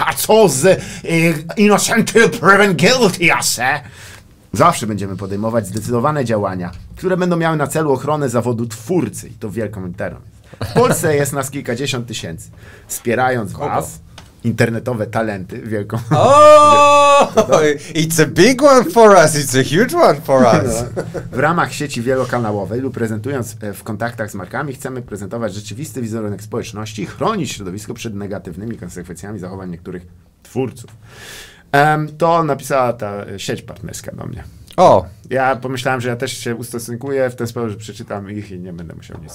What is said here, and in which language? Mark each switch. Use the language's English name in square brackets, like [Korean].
[Polish] A co z [English] innocent till proven guilty, asse? [Polish] Zawsze będziemy podejmować zdecydowane działania, które będą miały na celu ochronę zawodu twórcy. I to wielką literą. W Polsce jest nas kilkadziesiąt tysięcy. Wspierając was... internetowe talenty wielką. Oh, to... [English] It's a big one for us, it's a huge one for us. [Polish] W ramach sieci wielokanałowej lub prezentując w kontaktach z markami, chcemy prezentować rzeczywisty wizerunek społeczności i chronić środowisko przed negatywnymi konsekwencjami zachowań niektórych twórców. To napisała ta sieć partnerska do mnie. O! Ja pomyślałem, że ja też się ustosunkuję w ten sposób, że przeczytam ich i nie będę musiał nic.